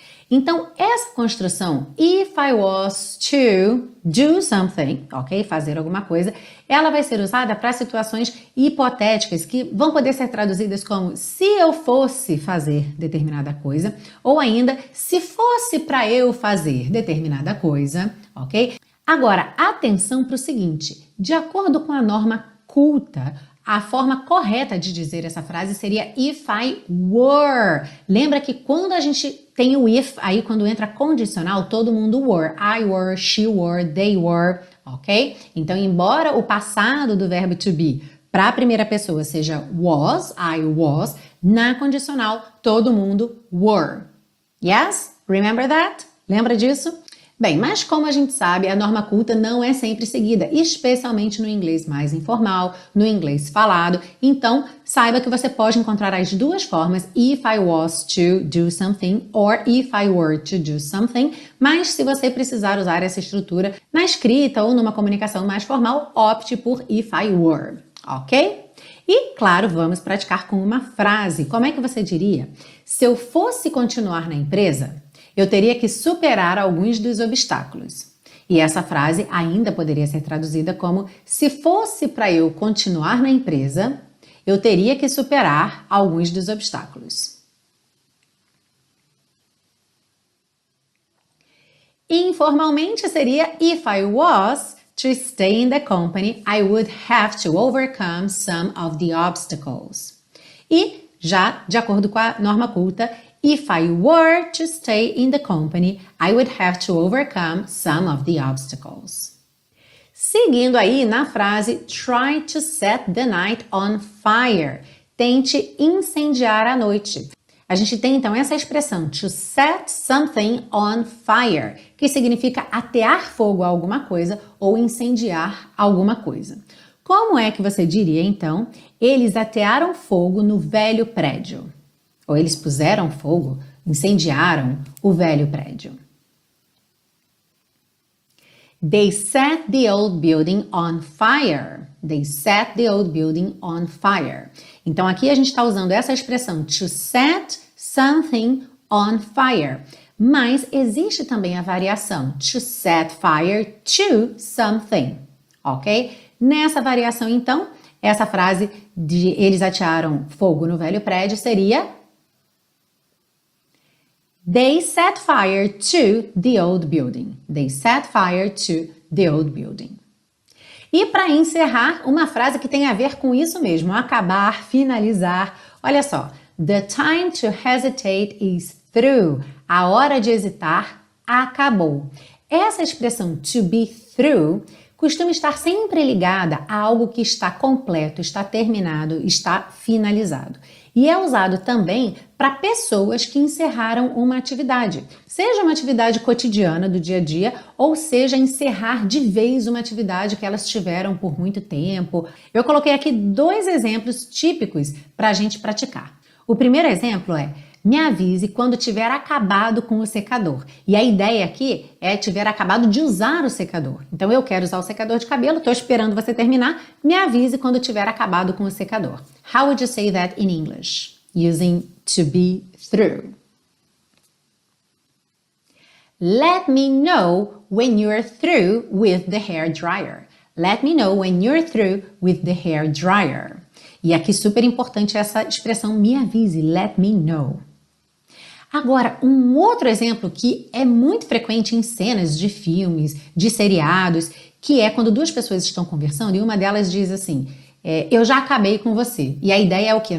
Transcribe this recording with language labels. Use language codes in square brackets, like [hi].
[pt] Então, essa construção, [en] if I was to do something, [pt] ok, fazer alguma coisa, ela vai ser usada para situações hipotéticas que vão poder ser traduzidas como se eu fosse fazer determinada coisa, ou ainda se fosse para eu fazer determinada coisa, ok? Agora, atenção para o seguinte, de acordo com a norma culta, a forma correta de dizer essa frase seria if I were. Lembra que quando a gente tem o if, aí quando entra condicional, todo mundo were. [en] I were, she were, they were, ok? [pt] Então, embora o passado do verbo to be para a primeira pessoa seja was, I was, na condicional, todo mundo were. [en] Yes? Remember that? [pt] Lembra disso? Bem, mas como a gente sabe, a norma culta não é sempre seguida, especialmente no inglês mais informal, no inglês falado. Então, saiba que você pode encontrar as duas formas, [en] if I was to do something, [pt] or if I were to do something. Mas se você precisar usar essa estrutura na escrita ou numa comunicação mais formal, opte por [en] if I were, [pt] ok? E, claro, vamos praticar com uma frase. Como é que você diria? Se eu fosse continuar na empresa, eu teria que superar alguns dos obstáculos. E essa frase ainda poderia ser traduzida como se fosse para eu continuar na empresa, eu teria que superar alguns dos obstáculos. Informalmente seria [en] if I was to stay in the company, I would have to overcome some of the obstacles. [pt] E já de acordo com a norma culta, [en] if I were to stay in the company, I would have to overcome some of the obstacles. [pt] Seguindo aí na frase, [en] try to set the night on fire. [pt] Tente incendiar a noite. A gente tem então essa expressão, [en] to set something on fire, [pt] que significa atear fogo a alguma coisa ou incendiar alguma coisa. Como é que você diria então, eles atearam fogo no velho prédio? Ou eles puseram fogo, incendiaram o velho prédio. [en] They set the old building on fire. They set the old building on fire. [pt] Então, aqui a gente está usando essa expressão [en] to set something on fire. [pt] Mas existe também a variação [en] to set fire to something, [pt] ok? Nessa variação, então, essa frase de eles atearam fogo no velho prédio seria [en] They set fire to the old building. They set fire to the old building. [pt] E para encerrar, uma frase que tem a ver com isso mesmo, acabar, finalizar. Olha só, [en] the time to hesitate is through. [pt] A hora de hesitar acabou. Essa expressão [en] to be through [pt] costuma estar sempre ligada a algo que está completo, está terminado, está finalizado. E é usado também para pessoas que encerraram uma atividade, seja uma atividade cotidiana do dia a dia, ou seja, encerrar de vez uma atividade que elas tiveram por muito tempo. Eu coloquei aqui dois exemplos típicos para a gente praticar. O primeiro exemplo é, me avise quando tiver acabado com o secador. E a ideia aqui é tiver acabado de usar o secador. Então, eu quero usar o secador de cabelo, estou esperando você terminar. Me avise quando tiver acabado com o secador. [en] How would you say that in English? Using to be through. Let me know when you're through with the hair dryer. Let me know when you're through with the hair dryer. [pt] E aqui super importante essa expressão, me avise, [en] let me know. [pt] Agora, um outro exemplo que é muito frequente em cenas de filmes, de seriados, que é quando duas pessoas estão conversando e uma delas diz assim, eu já acabei com você. E a ideia é o quê?